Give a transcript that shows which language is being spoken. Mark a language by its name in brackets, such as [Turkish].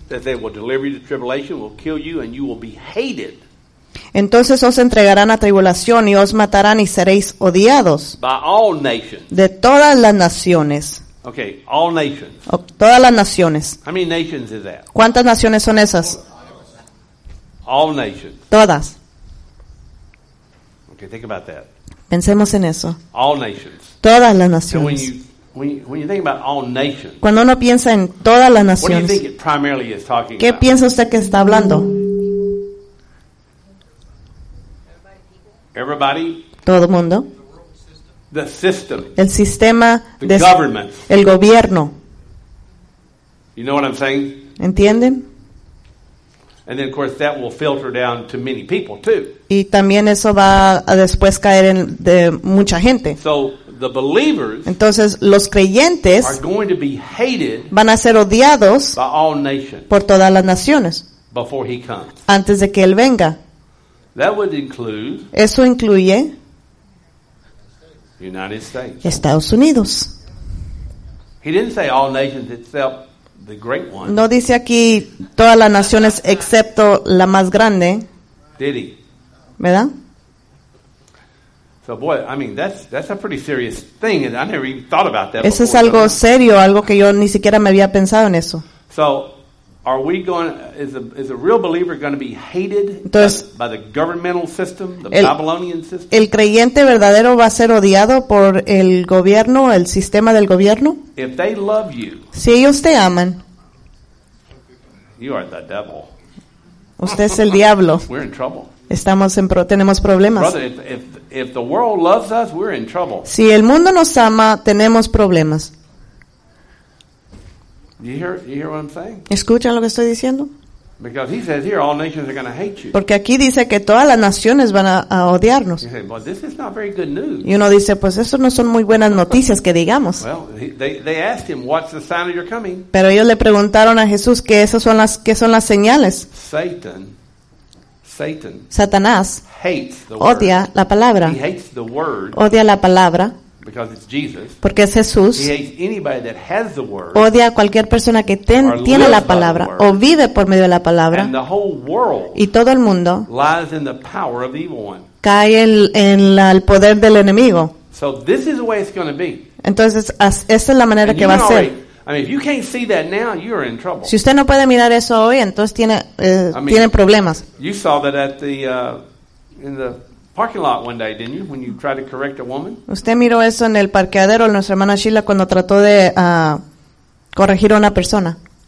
[English] That they will deliver you to tribulation, will kill you, and you will be hated. [Spanish] Entonces os entregarán a tribulación y os matarán y seréis odiados. [English] By all nations. [Spanish] De todas las naciones. [English] Okay, all nations. [Spanish] Todas las naciones. [English] How many nations is that? [Spanish] ¿Cuántas naciones son esas? [English] All nations. [Spanish] Todas. [English] Okay, think about that. [Spanish] Pensemos en eso. [English] All nations. [Spanish] Todas las naciones. [English] And when you think about all nations. [Spanish] Cuando uno piensa en todas las naciones. [English] What do you think it primarily is talking about? [Spanish] ¿Qué piensa usted que está hablando? [English] Everybody. [Spanish] Todo mundo. [English] The system. [Spanish] El sistema. [English] The government. [Spanish] El gobierno. [English] You know what I'm saying? [Spanish] ¿Entienden? [English] And then, of course, that will filter down to many people, too. [Spanish] Y también eso va a después caer en de mucha gente. [English] So, the believers. [Spanish] Entonces, los creyentes. [English] Are going to be hated. [Spanish] Van a ser odiados. [English] By all nations. [Spanish] Por todas las naciones. [English] Before he comes. [Spanish] Antes de que él venga. [English] That would include. [Spanish] Eso incluye. [English] United States. [Spanish] Estados Unidos. [English] He didn't say all nations itself, the great one. [Spanish] No dice aquí todas las naciones excepto la más grande. [English] Did he? [Spanish] ¿Verdad? [English] So boy, I mean that's a pretty serious thing. I never even thought about that. [Spanish] Eso es algo serio, algo que yo ni siquiera me había pensado en eso. [English] So are we going? Is a real believer going to be hated? [Spanish] Entonces, [English] by the governmental system, the Babylonian system. [Spanish] El creyente verdadero va a ser odiado por el gobierno, el sistema del gobierno. [English] If they love you, [Spanish] si ellos te aman, [English] you are the devil. [Spanish] Usted es el diablo. [English] We're in trouble. [Spanish] Estamos en tenemos problemas. [English] Brother, if the world loves us, we're in trouble. [Spanish] Si el mundo nos ama, tenemos problemas. [English] You hear what I'm saying? [Spanish] ¿Escuchan lo que estoy diciendo? [English] Because he says here, all nations are going to hate you. [Spanish] Porque aquí dice que todas las naciones van a odiarnos. [English] You say, well, this is not very good news. [Spanish] Y uno dice, pues eso no son muy buenas noticias que digamos. [English] Well, they asked him, what's the sign of your coming? [Spanish] Pero ellos le preguntaron a Jesús que esas son las que son las señales. [English] Satan. [Spanish] Satanás. [English] Hates the [Spanish] odia [English] word. [Spanish] La palabra. [English] He hates the word. [Spanish] Odia la palabra. [English] Because it's Jesus. [Spanish] Porque es Jesús. [English] He hates anybody that has the word. [Spanish] Odia a cualquier persona que tiene la palabra o vive por medio de la palabra. [English] And the whole world. [Spanish] Y todo el mundo. [English] Lies in the power of the evil one. [Spanish] Cae en el poder del enemigo. [English] So this is the way it's going to be. [Spanish] Entonces esa es la manera que va a ser. [English] I mean, if you can't see that now, you're in trouble. [Spanish] Si usted no puede mirar eso hoy, entonces tiene problemas. [English] You saw that at the in the parking lot one day, didn't you? When you tried to correct a woman. [Spanish] Usted miró eso en el parqueadero, nuestra hermana Sheila, cuando trató de corregir a una persona.